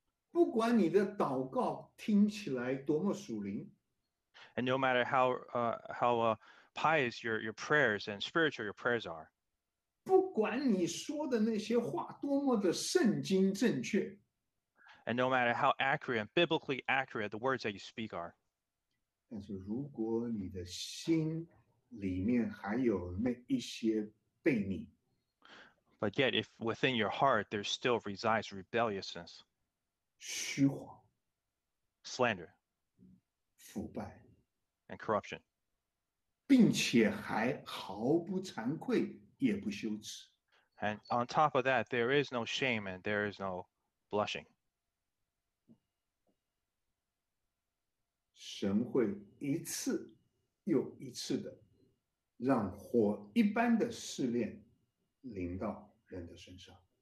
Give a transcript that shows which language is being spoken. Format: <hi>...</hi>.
<zh>不管你的祷告听起来多么属灵</zh> <en>，and no matter how pious your prayers and spiritual your prayers are，</en> <zh>不管你说的那些话多么的圣经正确</zh> <en>And no matter how accurate and biblically accurate the words that you speak are.</en> <zh>但是如果你的心里面还有那一些悖逆,</zh> <en>But yet if within your heart there still resides rebelliousness,</en> <zh>虚谎,</zh> <en>slander,</en> <zh>腐败,</zh> <en>and corruption,</en> <zh>并且还毫不惭愧也不羞耻,</zh> <en>and on top of that, there is no shame and there is no blushing.</en> <zh>神会一次又一次的让火一般的试炼临到人的身上。</zh>